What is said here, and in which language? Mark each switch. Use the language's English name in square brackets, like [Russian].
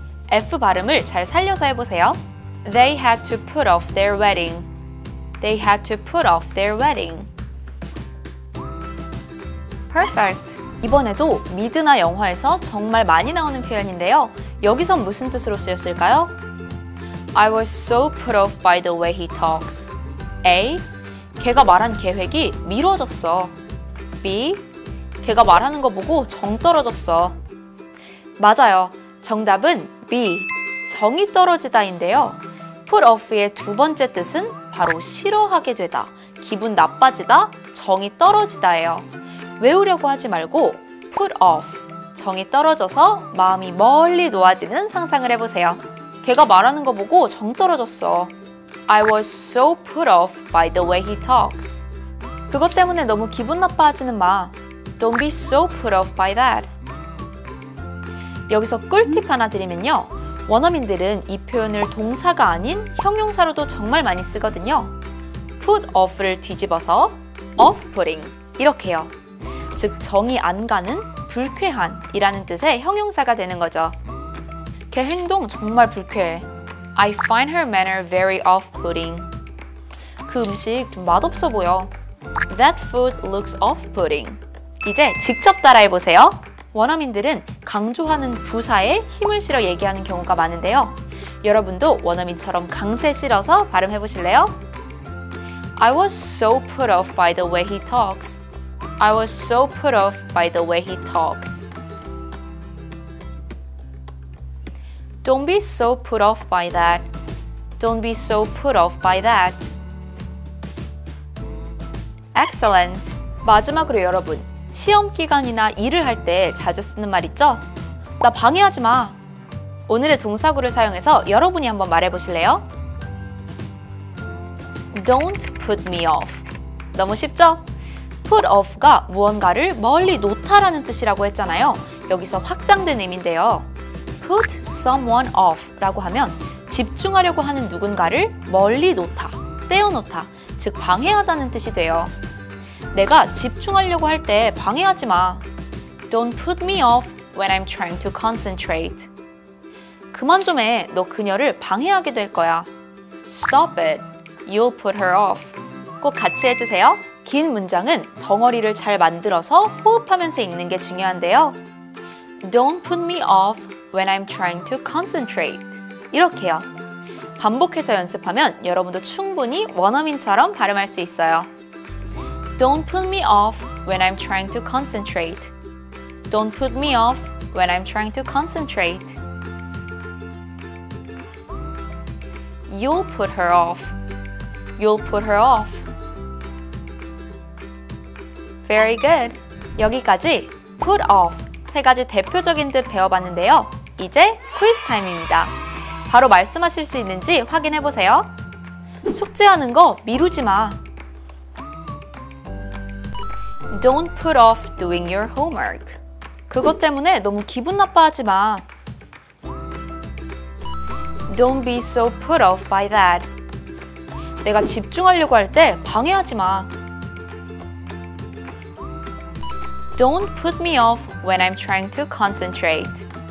[Korean] F 발음을 잘 살려서 해보세요. [English] They had to put off their wedding. They had to put off their wedding. Perfect. [Korean] 이번에도 미드나 영화에서 정말 많이 나오는 표현인데요. 여기서 무슨 뜻으로 쓰였을까요? [English] I was so put off by the way he talks. A. [Korean] 걔가 말한 계획이 미뤄졌어. [English] B. [Korean] 걔가 말하는 거 보고 정 떨어졌어. 맞아요. 정답은 B. 정이 떨어지다인데요. Put off의 두 번째 뜻은 바로 싫어하게 되다, 기분 나빠지다, 정이 떨어지다예요. 외우려고 하지 말고 put off, 정이 떨어져서 마음이 멀리 놓아지는 상상을 해보세요. 걔가 말하는 거 보고 정 떨어졌어. [English] I was so put off by the way he talks. [Korean] 그것 때문에 너무 기분 나빠하지는 마. [English] Don't be so put off by that. [Korean] 여기서 꿀팁 하나 드리면요. 원어민들은 이 표현을 동사가 아닌 형용사로도 정말 많이 쓰거든요. put off를 뒤집어서 off-putting 이렇게요. 즉 정이 안 가는, 불쾌한 이라는 뜻의 형용사가 되는 거죠. 걔 행동 정말 불쾌해. [English] I find her manner very off-putting. [Korean] 그 음식 좀 맛없어 보여. [English] That food looks off-putting. [Korean] 이제 직접 따라해보세요. 원어민들은 강조하는 부사에 힘을 실어 얘기하는 경우가 많은데요. 여러분도 원어민처럼 강세 실어서 발음해 보실래요? [English] I was so put off by the way he talks. I was so put off by the way he talks. Don't be so put off by that. Don't be so put off by that. Excellent. [Korean] 마지막으로 여러분, 시험 기간이나 일을 할 때 자주 쓰는 말 있죠? 나 방해하지 마! 오늘의 동사구를 사용해서 여러분이 한번 말해보실래요? [English] Don't put me off. [Korean] 너무 쉽죠? Put off가 무언가를 멀리 놓다라는 뜻이라고 했잖아요. 여기서 확장된 의미인데요. [English] Put someone off [Korean] 라고 하면 집중하려고 하는 누군가를 멀리 놓다, 떼어놓다, 즉 방해하다는 뜻이 돼요. 내가 집중하려고 할 때 방해하지 마. [English] Don't put me off when I'm trying to concentrate. [Korean] 그만 좀 해. 너 그녀를 방해하게 될 거야. [English] Stop it. You'll put her off. [Korean] 꼭 같이 해주세요. 긴 문장은 덩어리를 잘 만들어서 호흡하면서 읽는 게 중요한데요. [English] Don't put me off when I'm trying to concentrate. [Korean] 이렇게요. 반복해서 연습하면 여러분도 충분히 원어민처럼 발음할 수 있어요. [English] Don't put me off when I'm trying to concentrate. Don't put me off when I'm trying to concentrate. You'll put her off. You'll put her off. Very good. [Korean] 여기까지 put off 세 가지 대표적인 뜻 배워봤는데요. 이제 퀴즈 타임입니다. 바로 말씀하실 수 있는지 확인해 보세요. 숙제하는 거 미루지 마. [English] Don't put off doing your homework. [Korean] 그것 때문에 너무 기분 나빠하지 마. [English] Don't be so put off by that. [Korean] 내가 집중하려고 할 때 방해하지 마. [English] Don't put me off when I'm trying to concentrate.